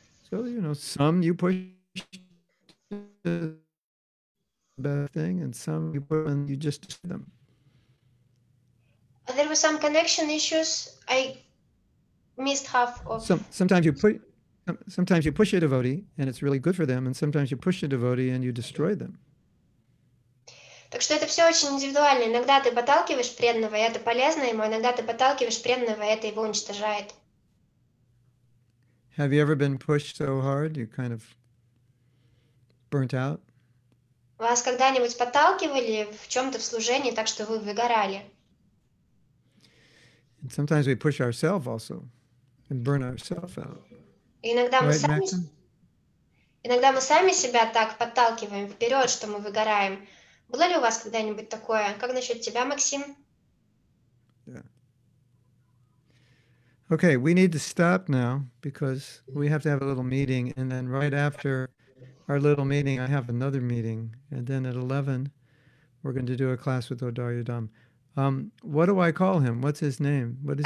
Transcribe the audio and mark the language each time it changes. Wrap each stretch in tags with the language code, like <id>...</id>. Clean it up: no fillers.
<en>So, you know, some you push the bad thing and some you put and you just do them. There were some connection issues. I missed half of. Sometimes you push a devotee and it's really good for them, and sometimes you push a devotee and you destroy them.</en> <ru>Так что это все очень индивидуально. Иногда ты подталкиваешь преданного, и это полезно ему, иногда ты подталкиваешь преданного, и это его уничтожает.</ru> <en>Have you ever been pushed so hard you kind of burnt out?</en> <ru>Вас когда-нибудь подталкивали в чем-то в служении так, что вы выгорали?</ru> <en>And sometimes we push ourselves also and burn ourselves out.</en> <ru>Иногда мы сами себя так подталкиваем вперед, что мы выгораем. Было ли у вас когда-нибудь такое? Как насчет тебя, Максим?</ru> <en>Okay, we need to stop now because we have to have a little meeting, and then right after our little meeting, I have another meeting, and then at 11 We're going to do a class with Odaryadam. What do I call him? What's his name? What is</en>